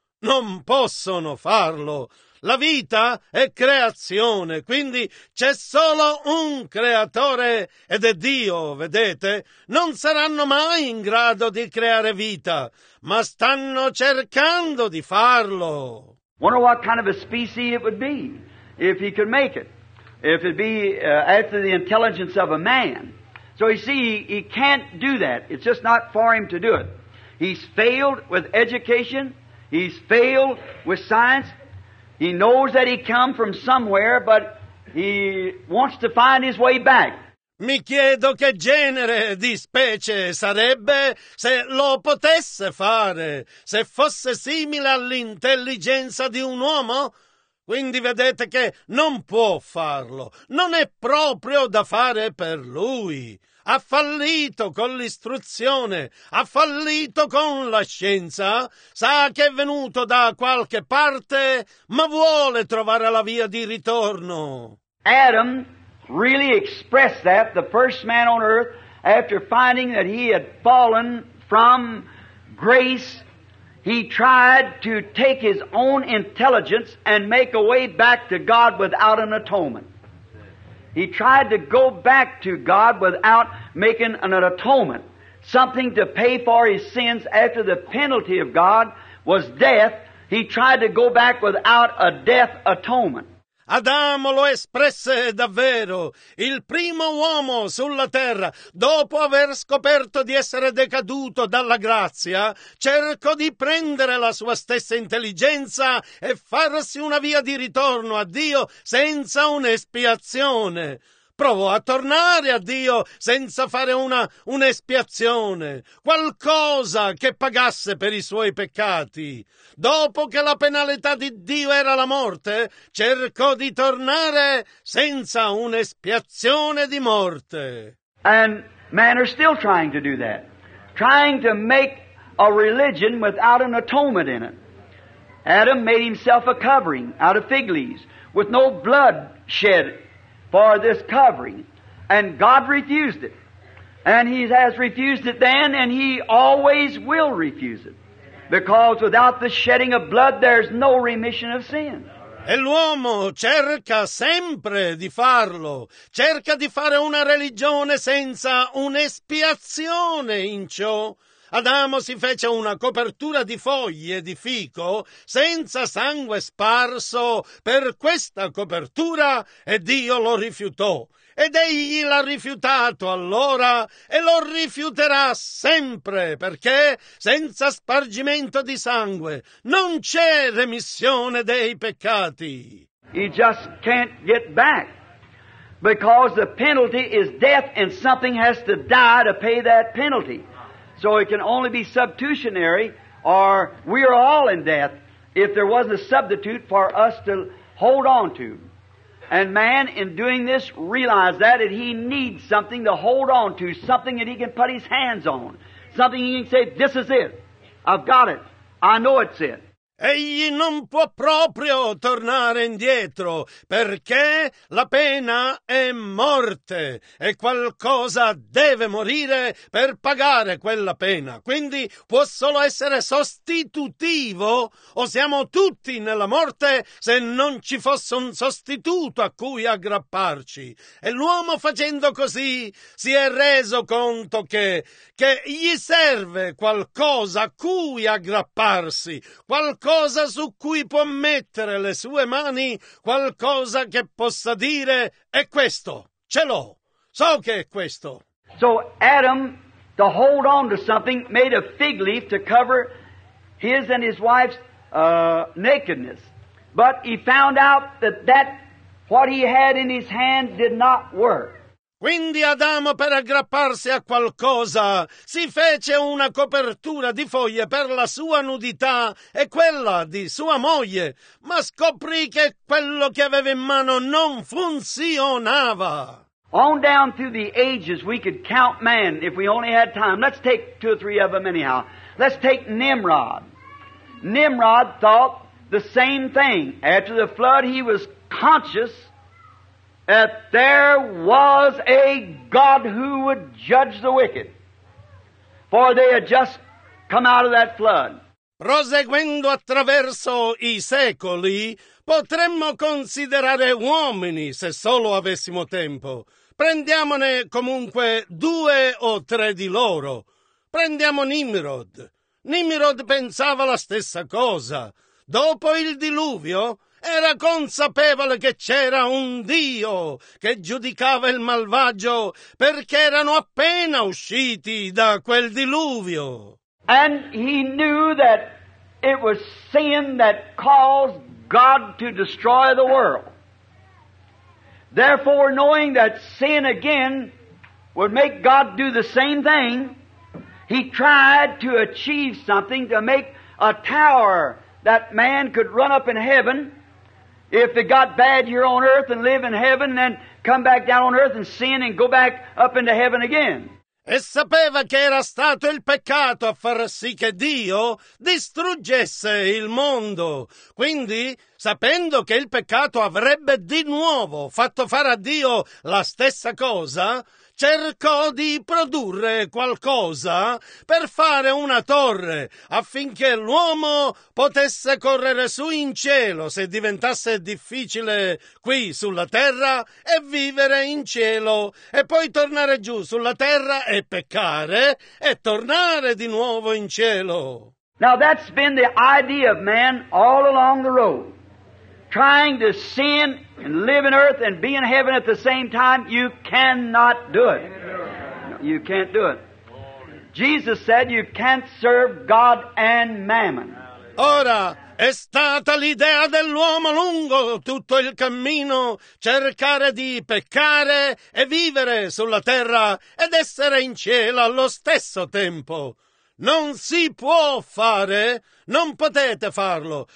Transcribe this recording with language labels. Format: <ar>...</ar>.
<it>Non possono farlo. La vita è creazione, quindi c'è solo un creatore ed è Dio, vedete? Non saranno mai in grado di creare vita, ma stanno cercando di farlo.</it> <en>Wonder what kind of a species it would be if he could make it. If it be after the intelligence of a man. So you see, he can't do that. It's just not for him to do it. He's failed with education, he's failed with science. He knows that he come from somewhere, but he wants to find his way back.</en> <it>Mi chiedo che genere di specie sarebbe se lo potesse fare, se fosse simile all'intelligenza di un uomo. Quindi vedete che non può farlo, non è proprio da fare per lui. Ha fallito con l'istruzione, ha fallito con la scienza, sa che è venuto da qualche parte, ma vuole trovare la via di ritorno.</it> <en>Adam really expressed that, the first man on earth, after finding that he had fallen from grace, he tried to take his own intelligence and make a way back to God without an atonement. He tried to go back to God without making an atonement, something to pay for his sins after the penalty of God was death. He tried to go back without a death atonement.</en> <it>Adamo lo espresse davvero, il primo uomo sulla terra, dopo aver scoperto di essere decaduto dalla grazia, cercò di prendere la sua stessa intelligenza e farsi una via di ritorno a Dio senza un'espiazione. Provò a tornare a Dio senza fare un'espiazione, qualcosa che pagasse per i suoi peccati. Dopo che la penalità di Dio era la morte, cercò di tornare senza un'espiazione di morte.</it> <en>And man are still trying to do that, trying to make a religion without an atonement in it. Adam made himself a covering out of fig leaves, with no blood shed for this covering, and God refused it, and he has refused it then, and he always will refuse it, because without the shedding of blood there's no remission of sin.</en> <it>E l'uomo cerca sempre di farlo, cerca di fare una religione senza un'espiazione in ciò. Adamo si fece una copertura di foglie di fico senza sangue sparso per questa copertura, e Dio lo rifiutò. Ed egli l'ha rifiutato allora e lo rifiuterà sempre, perché senza spargimento di sangue non c'è remissione dei peccati.</it> <en>He just can't get back, because the penalty is death, and something has to die to pay that penalty. So it can only be substitutionary, or we are all in death if there was a substitute for us to hold on to. And man, in doing this, realized that, he needs something to hold on to, something that he can put his hands on, something he can say, this is it. I've got it. I know it's it.</en> <it>Egli non può proprio tornare indietro, perché la pena è morte e qualcosa deve morire per pagare quella pena. Quindi può solo essere sostitutivo, o siamo tutti nella morte se non ci fosse un sostituto a cui aggrapparci. E l'uomo facendo così si è reso conto che gli serve qualcosa a cui aggrapparsi, qualcosa su cui può mettere le sue mani, qualcosa che possa dire è questo, ce l'ho, so che è questo.</it> <en>So Adam, to hold on to something, made a fig leaf to cover his and his wife's nakedness. But he found out that what he had in his hand did not work.</en> <it>Quindi Adamo, per aggrapparsi a qualcosa, si fece una copertura di foglie per la sua nudità e quella di sua moglie, ma scoprì che quello che aveva in mano non funzionava.</it> <en>On down through the ages we could count man if we only had time. Let's take two or three of them anyhow. Let's take Nimrod. Nimrod thought the same thing. After the flood he was conscious that there was a God who would judge the wicked, for they had just come out of that flood.</en> <it>Proseguendo attraverso i secoli, potremmo considerare uomini se solo avessimo tempo. Prendiamone comunque due o tre di loro. Prendiamo Nimrod. Nimrod pensava la stessa cosa. Dopo il diluvio, era consapevole che c'era un Dio che giudicava il malvagio perché erano appena usciti da quel diluvio.</it> <en>And he knew that it was sin that caused God to destroy the world. Therefore, knowing that sin again would make God do the same thing, he tried to achieve something to make a tower that man could run up in heaven. If it got bad here on earth and live in heaven, then come back down on earth and sin and go back up into heaven again.</en> <it>E sapeva che era stato il peccato a far sì che Dio distruggesse il mondo. Quindi, sapendo che il peccato avrebbe di nuovo fatto fare a Dio la stessa cosa, cercò di produrre qualcosa per fare una torre affinché l'uomo potesse correre su in cielo se diventasse difficile qui sulla terra e vivere in cielo e poi tornare giù sulla terra e peccare e tornare di nuovo in cielo.</it> <en>Now that's been the idea of man all along the road. Trying to sin and live in earth and be in heaven at the same time, you cannot do it. You can't do it. Jesus said you can't serve God and mammon.</en> <it>Ora, è stata l'idea dell'uomo lungo tutto il cammino cercare di peccare e vivere sulla terra ed essere in cielo allo stesso tempo. Non si può fare, non potete farlo.</it>